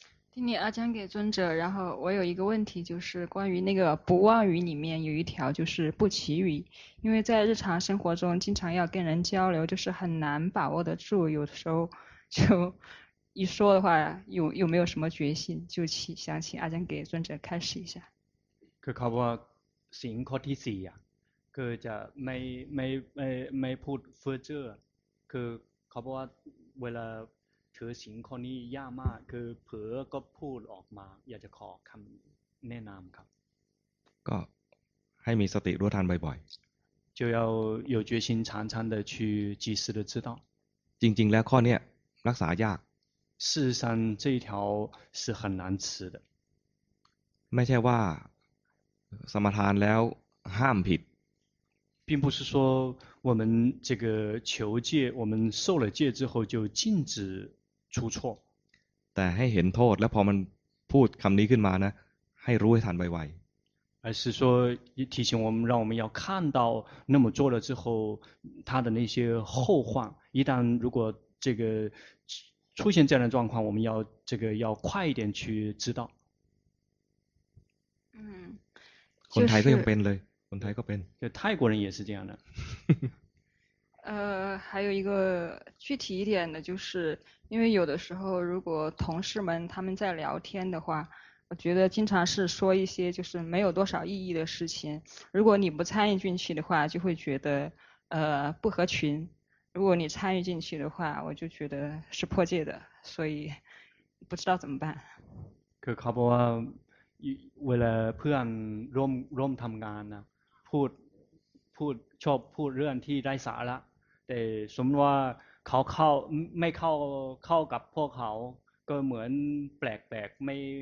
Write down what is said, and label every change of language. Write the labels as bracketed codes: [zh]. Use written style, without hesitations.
[zh] 听你阿江给尊者然后我有一个问题就是关于那个不妄语里面有一条就是不绮语因为在日常生活中经常要跟人交流就是很难把握得住有时候就一说的话有没有什么决心就想请阿江给尊者开始一下 [th] คือเขาว่าสิ่งข้อที่สี่อ่ะก็จะไม่พูดเฟื่อเจ้อคือเขาบอกว่าเวลาถือสิ่งข้อนี้ยากมากคือเผลอก็พูดออกมาอยากจะขอคำแนะนำครับ ก็ให้มีสติรู้ทันบ่อย [zh] ๆ就要有决心常常的去及时的知道 [th] จริงๆแล้วข้อเนี้ยรักษายาก [zh] 事实上这一条是很难吃的 [th] ไม่ใช่ว่าสมาทานแล้วห้ามผิด [zh] 并不是说我们这个求戒我们受了戒之后就禁止出错 [th] แต่ให้เห็นโทษแล้วพอมันพูดคำนี้ขึ้นมานะให้รู้ให้ทันไว [zh] ๆ而是说提醒我们让我们要看到那么做了之后他的那些后患一旦如果这个出现这样的状况，我们要这个要快一点去知道。嗯，就是。 [th] คนไทยก็ยังเป็นเลย， [zh] 就泰国人也是这样的。还有一个具体一点的，就是因为有的时候，如果同事们他们在聊天的话，我觉得经常是说一些就是没有多少意义的事情。如果你不参与进去的话，就会觉得不合群。如果你参与进去的话我就觉得是破戒的所以不知道怎么办 [th] คือเขาบอกว่าเวลาเพื่อนร่วมทำงานนะพูดชอบพูดเรื่องที่ได้สาระแต่สมมติว่าเขาเข้าไม่เข้ากับพวกเขาก็เหมือนแปลกๆไม่